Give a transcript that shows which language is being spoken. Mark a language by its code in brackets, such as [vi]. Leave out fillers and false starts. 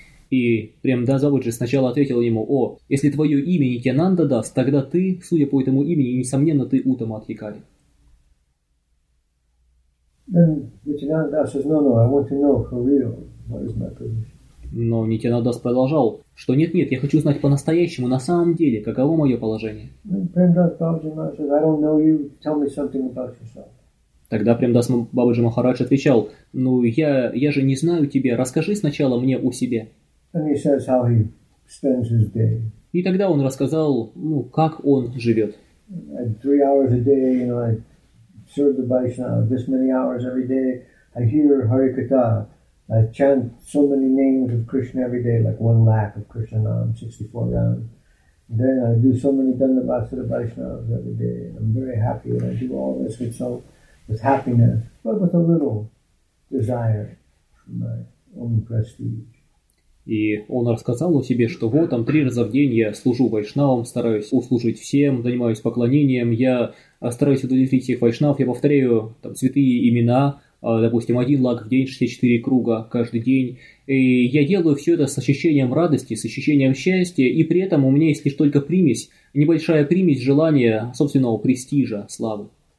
[ru] И Премдас Бабаджи сначала ответил ему: «О, если твое имя Нитянанда Дас, тогда ты, судя по этому имени, несомненно, ты Утама Адхикари». [en] Then Nityananda Das says, "No, no, I want to know for real what is my position." [ru] Но Нитянанда Дас продолжал, что нет, я хочу знать по-настоящему, на самом деле, каково мое положение. [en] Then Premdas Babaji Maharaj says, "I don't know you. Tell me something about yourself." [ru] Тогда Премдас Бабаджи Махарадж отвечал: "Ну, я же не знаю тебя. Расскажи сначала мне о себе." [en] And he says how he spends his day. [ru] И тогда он рассказал, ну, как он живет. [en] At 3 hours a day, you know, serve the Vaishnava this many hours every day. I hear Harikatha. I chant so many names of Krishna every day, like 1 lakh of Krishna Nam, 64 rounds. Then I do so many Dandavasara Vaishnavas every day. I'm very happy when I do all this with happiness, but with a little desire for my own prestige. [ru] И он рассказал о себе, что вот там 3 раза в день я служу вайшнавам, стараюсь услужить всем, занимаюсь поклонением, я стараюсь удовлетворить всех вайшнав, я повторяю там святые имена, допустим, 1 лак в день, 64 круга каждый день. И я делаю все это с ощущением радости, с ощущением счастья, и при этом у меня есть лишь только примесь, небольшая примесь желания собственного престижа, славы.